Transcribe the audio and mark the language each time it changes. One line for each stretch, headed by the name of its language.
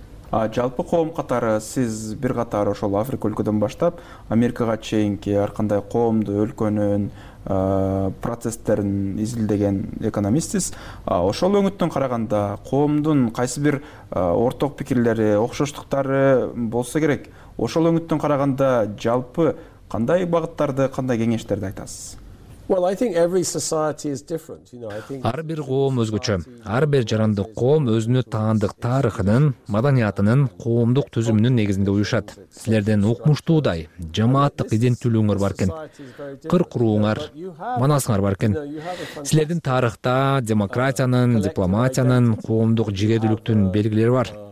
Kyrgyz: Жалпы коом катары сиз бир катар ошол Африка өлкөдөн баштап Америкага чейинки ар кандай коомду, өлкөнүн процесстерин изилдеген экономистсиз. Ошол өңүттөн караганда коомдун кайсы бир орток пикирлери, окшоштуктары болсо керек, ошол өңүттөн караганда жалпы кандай багыттарды, кандай кеңештерди айтасыз?
English: Well, I think every society is different.
Kyrgyz: Ар бир коом өзгөчө. Ар бир жарандык коом өзүнө таандык тарыхынын, маданиятынын, коомдук түзүмүнүн негизинде уюшат. Силердин укмуштуудай жамааттык идентүүлүгүңөр бар экен. Кырк урууңар, манасыңар бар экен. Силердин тарыхта демократиянын, дипломатиянын, коомдук жигердүүлүктүн белгилери бар.